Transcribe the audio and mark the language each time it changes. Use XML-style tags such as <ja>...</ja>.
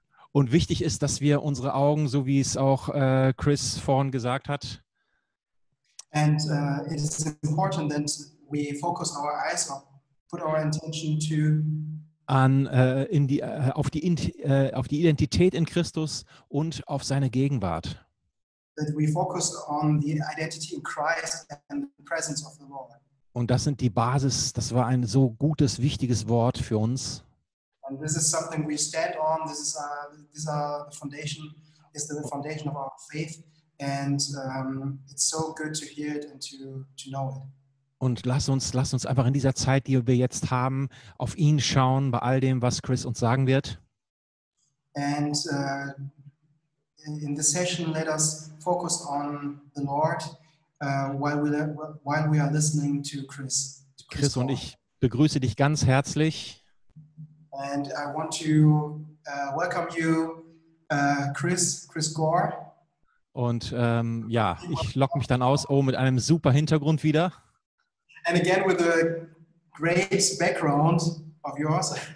<de>Und wichtig ist, dass wir unsere Augen, so wie es auch Chris vorhin gesagt hat,</de> <en>and it is important that we focus our eyes or put our intention to</en> <de>auf die Identität in Christus und auf seine Gegenwart.</de> <en>That we focus on the identity in Christ and the presence of the Lord.</en> <de>Und das sind die Basis, das war ein so gutes, wichtiges Wort für uns.</de> <en>And this is something we stand on, this is the foundation of our faith and it's so good to hear it and to know it.</en> <de>Und lass uns einfach in dieser Zeit, die wir jetzt haben, auf ihn schauen, bei all dem, was Chris uns sagen wird.</de> <en>And in the session, let us focus on the Lord while we are listening to Chris.</en> <de>Chris und ich begrüße dich ganz herzlich.</de> <en>And I want to welcome you, Chris Gore.</en> <de>Und ja, ich logge mich dann aus, mit einem super Hintergrund wieder.</de> <en>And again with a great background of yours.</en>